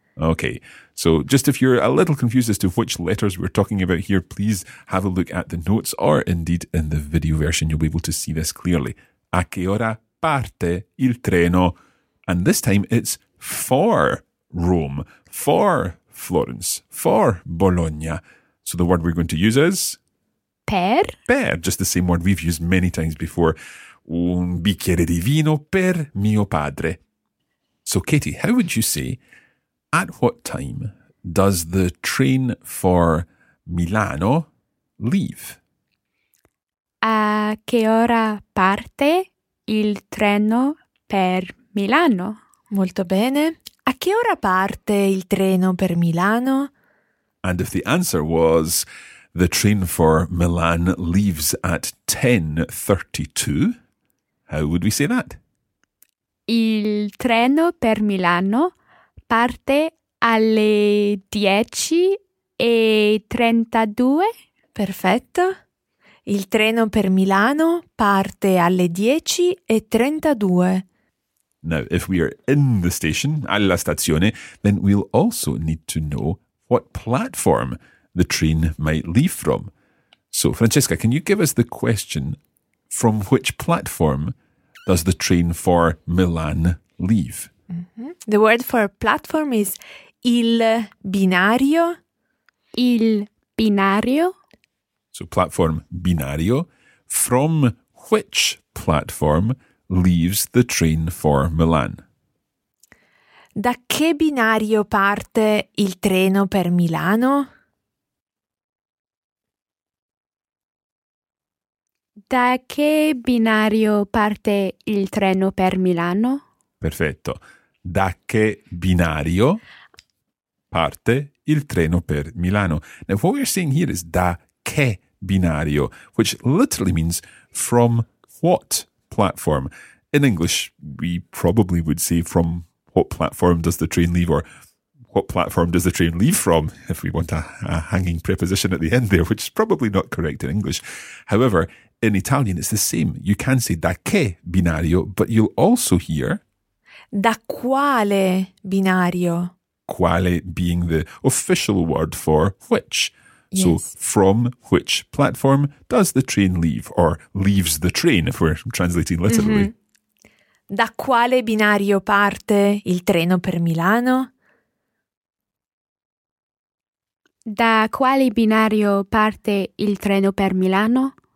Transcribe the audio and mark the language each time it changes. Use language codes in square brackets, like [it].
[en] Okay, so just if you're a little confused as to which letters we're talking about here, please have a look at the notes, or indeed in the video version, you'll be able to see this clearly. [it] A che ora parte il treno? [en] And this time it's for Rome, for Florence, for Bologna. So the word we're going to use is? [it] Per. [en] Per, just the same word we've used many times before. [it] Un bicchiere di vino per mio padre. [en] So Katie, how would you say, at what time does the train for Milano leave? [it] A che ora parte il treno per Milano? Molto bene. A che ora parte il treno per Milano? [en] And if the answer was, the train for Milan leaves at 10:32, how would we say that? [it] Il treno per Milano parte alle 10:32. Perfetto. Il treno per Milano parte alle 10:32. [en] Now, if we are in the station, [it] alla stazione, [en] then we'll also need to know what platform the train might leave from. So, Francesca, can you give us the question, from which platform does the train for Milan leave? Mm-hmm. The word for platform is il binario. [it] Il binario. [en] So platform binario. From which platform leaves the train for Milan? [it] Da che binario parte il treno per Milano? Da che binario parte il treno per Milano? Perfetto. Da che binario parte il treno per Milano? [en] Now, what we're saying here is [it] da che binario, [en] which literally means from what platform. In English, we probably would say from what platform does the train leave, or what platform does the train leave from, if we want a hanging preposition at the end there, which is probably not correct in English. However, in Italian, it's the same. You can say [it] da che binario, [en] but you'll also hear [it] da quale binario. [en] Quale being the official word for which. Yes. So from which platform does the train leave, or leaves the train, if we're translating literally. Mm-hmm. [it] Da quale binario parte il treno per Milano? Da quale binario parte il treno per Milano?